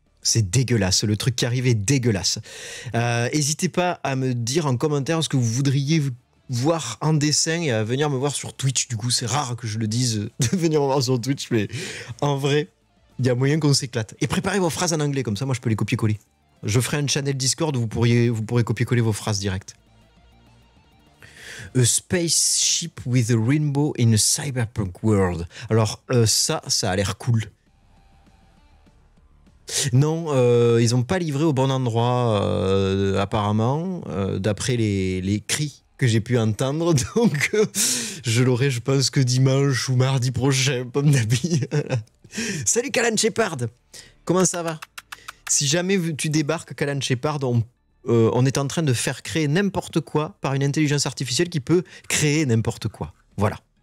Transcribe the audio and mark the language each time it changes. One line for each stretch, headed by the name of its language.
French: C'est dégueulasse, le truc qui arrive est dégueulasse. N'hésitez pas à me dire en commentaire ce que vous voudriez voir en dessin et à venir me voir sur Twitch. Du coup, c'est rare que je le dise de venir me voir sur Twitch, mais en vrai, il y a moyen qu'on s'éclate. Et préparez vos phrases en anglais, comme ça, moi, je peux les copier-coller. Je ferai un channel Discord, vous pourrez copier-coller vos phrases directes.
English: A spaceship with a rainbow in a cyberpunk world.
French: Alors, ça a l'air cool. Non, ils n'ont pas livré au bon endroit, apparemment, d'après les cris que j'ai pu entendre. Donc, je l'aurai, je pense, que dimanche ou mardi prochain, pomme d'api. Salut, Callan Shepard. Comment ça va? Si jamais tu débarques, Callan Shepard, on est en train de faire créer n'importe quoi par une intelligence artificielle qui peut créer n'importe quoi. Voilà.